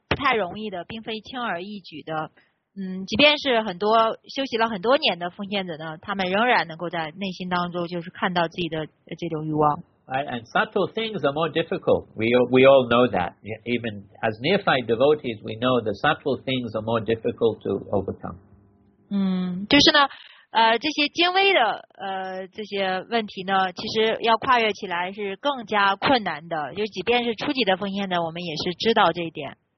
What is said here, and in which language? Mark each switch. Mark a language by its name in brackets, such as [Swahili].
[Chinese] 不太容易的，并非轻而易举的。即便是很多休息了很多年的奉献者呢，他们仍然能够在内心当中就是看到自己的这种欲望。 [English] Right, and subtle things are more difficult. We all know that. Even as neophyte devotees, we know the subtle things are more difficult to overcome. [Chinese] 就是呢，这些精微的这些问题呢，其实要跨越起来是更加困难的。就即便是初级的奉献者，我们也是知道这一点。